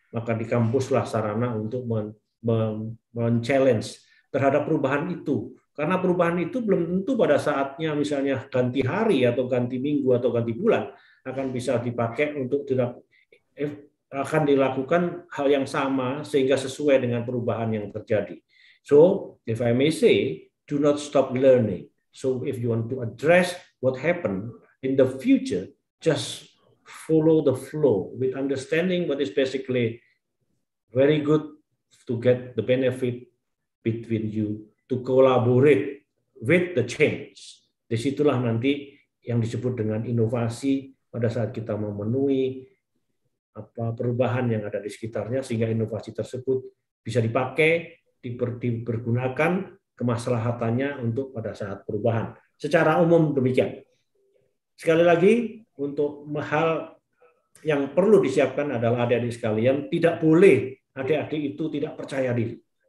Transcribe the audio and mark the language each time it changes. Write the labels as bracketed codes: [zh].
[id] maka di kampuslah sarana untuk men-challenge terhadap perubahan itu. Karena perubahan itu belum tentu pada saatnya misalnya ganti hari atau ganti minggu atau ganti bulan akan bisa dipakai untuk tidak akan dilakukan hal yang sama sehingga sesuai dengan perubahan yang terjadi. [en] So, if I may say, do not stop learning. So, if you want to address what happened in the future, just follow the flow with understanding what is basically very good to get the benefit between you to collaborate with the change. [id] Disitulah nanti yang disebut dengan inovasi pada saat kita memenuhi apa perubahan yang ada di sekitarnya sehingga inovasi tersebut bisa dipakai, dipergunakan kemaslahatannya untuk pada saat perubahan. Secara umum demikian. Sekali lagi, untuk hal yang perlu disiapkan adalah adik-adik sekalian, tidak boleh adik-adik itu tidak percaya diri.